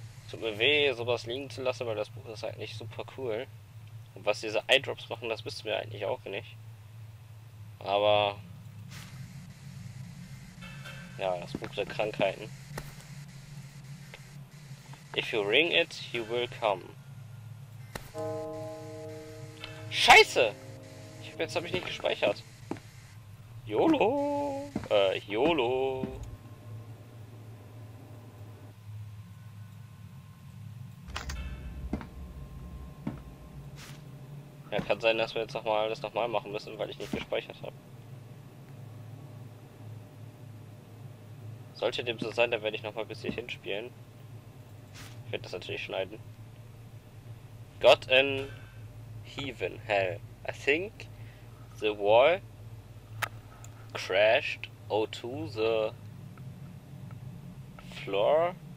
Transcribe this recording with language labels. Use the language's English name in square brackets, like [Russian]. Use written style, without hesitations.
[German] Tut mir weh, sowas liegen zu lassen, weil das Buch ist eigentlich super cool. Und was diese Eyedrops machen, das wissen wir eigentlich auch nicht. Aber. Ja, das Buch der Krankheiten. [English] If you ring it, you will come. [German] Scheiße! Jetzt habe ich nicht gespeichert. YOLO! YOLO! Ja, kann sein, dass wir jetzt nochmal alles nochmal machen müssen, weil ich nicht gespeichert habe. Sollte dem so sein, dann werde ich nochmal ein bisschen hinspielen. Ich werde das natürlich schneiden. [English] God in heaven, hell. I think the wall crashed onto the floor.